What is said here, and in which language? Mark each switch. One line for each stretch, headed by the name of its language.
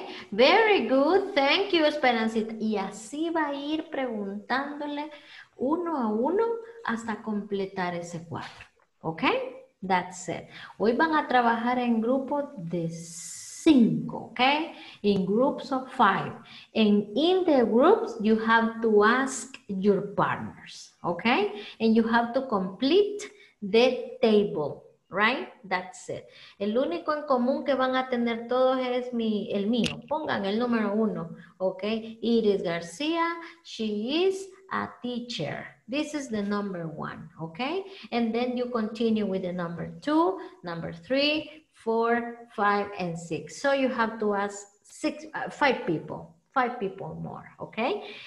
English: Very good. Thank you, Esperancita.
Spanish: Y así va a ir preguntándole uno a uno hasta completar ese cuadro.
English: Ok, that's it.
Spanish: Hoy van a trabajar en grupos de 5, ok?
English: In groups of 5. And in the groups, you have to ask your partners, ok? And you have to complete the table, right? That's it.
Spanish: El único en común que van a tener todos es el mío. Pongan el número 1, ok? Iris García,
English: she is a teacher. This is the number one, okay? And then you continue with the number two, number three, four, five, and six. So you have to ask five people more, okay?